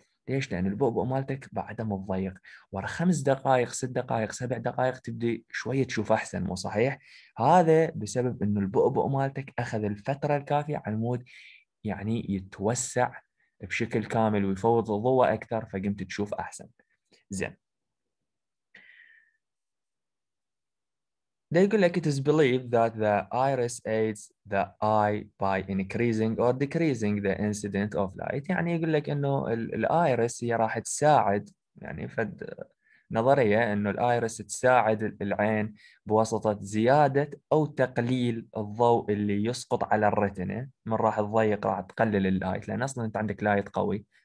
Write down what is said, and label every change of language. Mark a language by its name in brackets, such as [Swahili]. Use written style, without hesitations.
[Arabic] ليش؟ لان البؤبؤ مالتك بعده متضيق، ورا 5 دقائق، 6 دقائق، 7 دقائق تبدي شويه تشوف احسن، مو صحيح؟ هذا بسبب انه البؤبؤ مالتك اخذ الفتره الكافيه على المود يعني يتوسع بشكل كامل ويفوت الضوء اكثر، فقمت تشوف احسن. [English] زين، They [Arabic] يقول لك [English] it is believed that the iris aids the eye by increasing or decreasing the incident of light. [Arabic] يعني يقول لك انه الايرس هي راح تساعد، يعني فد نظريه انه الايرس تساعد العين بواسطه زياده او تقليل الضوء اللي يسقط على الرتنه. من راح تضيق راح تقلل اللايت، لان اصلا انت عندك لايت قوي،